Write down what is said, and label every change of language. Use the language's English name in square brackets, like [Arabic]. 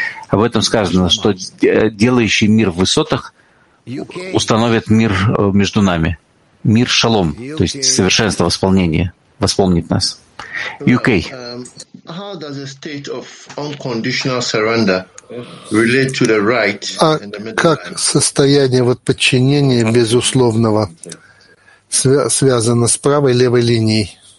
[Russian] Об этом сказано, что делающий мир в высотах установит мир между нами. Мир шалом, то есть совершенство восполнения, восполнит нас. [English] UK. How does the state of unconditional surrender relate to the right? [Russian] А как состояние вот подчинения безусловного связано с правой и левой линией?